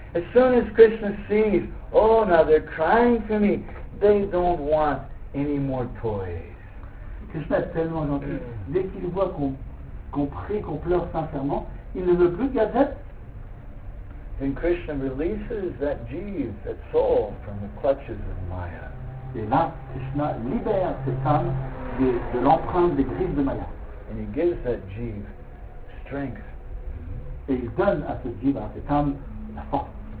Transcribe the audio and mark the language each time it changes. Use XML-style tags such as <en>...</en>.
<en>As soon as Krishna sees, oh, now they're crying for me, they don't want any more toys.</en> <fr>Krishna est tellement gentil. Dès qu'il voit qu'on prie, qu'on pleure sincèrement, il ne veut plus gazette.</fr> <en>Then Krishna releases that jeev, that soul, from the clutches of Maya.</en> <fr>Et là, Krishna libère cette âme de l'empreinte des griffes de Maya.</fr> <en>And he gives that jeev strength.</en> <fr>Et il donne à ce jeev, à cette âme, la force.</fr>